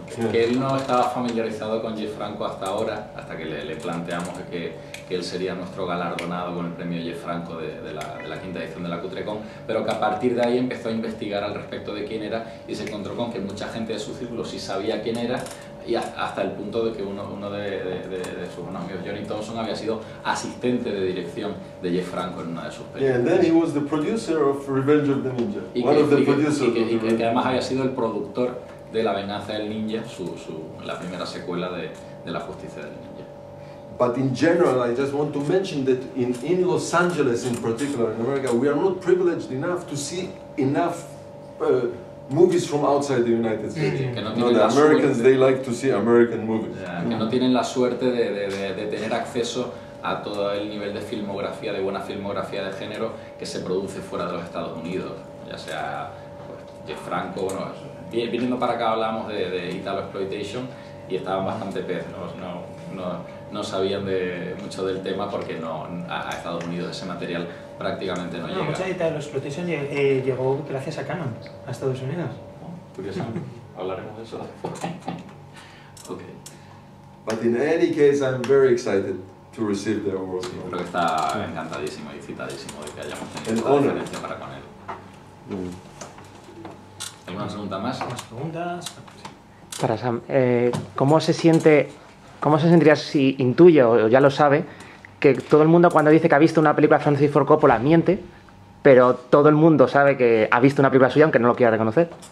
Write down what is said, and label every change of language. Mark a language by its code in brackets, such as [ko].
[es] Que él no estaba familiarizado con Jeff Franco hasta ahora, hasta que le planteamos que él sería nuestro galardonado con el premio Jeff Franco de la quinta edición de la Cutrecon, pero que a partir de ahí empezó a investigar al respecto de quién era y se encontró con que mucha gente de su círculo sí sabía quién era, y hasta el punto de que uno de sus amigos, Johnny Thompson, había sido asistente de dirección de Jeff Franco en una de sus películas. [en] Yeah, and then he was the producer of Revenge of the Ninja. [es] Y que además había sido el productor de La Venganza del Ninja, la primera secuela de La Justicia del Ninja. [en] But in general, I just want to mention that in Los Angeles, in particular, in America, we are not privileged enough to see enough movies from outside the United States. [es] Sí, que no [en] tienen the Americans, they like to see American movies. [es] Yeah, que no tienen la suerte de tener acceso a todo el nivel de filmografía, de buena filmografía de género, que se produce fuera de los Estados Unidos, ya sea Jeff Franco o no. Viniendo para acá hablábamos de Italo Exploitation y estaban bastante pez, no sabían de mucho del tema porque no, a Estados Unidos ese material prácticamente no llega. Mucha de Italo Exploitation llegó gracias a Canon, a Estados Unidos. Curiosamente, hablaremos de eso. [en] Okay. But in any case, I'm very excited to receive the award. [es] Sí, creo que está encantadísimo y excitadísimo de que hayamos tenido la diferencia para con él. ¿Alguna pregunta más? ¿Más preguntas? Sí. Para Sam, ¿cómo se siente, cómo se sentiría si intuye o ya lo sabe que todo el mundo cuando dice que ha visto una película de Francis Ford Coppola miente, pero todo el mundo sabe que ha visto una película suya aunque no lo quiera reconocer?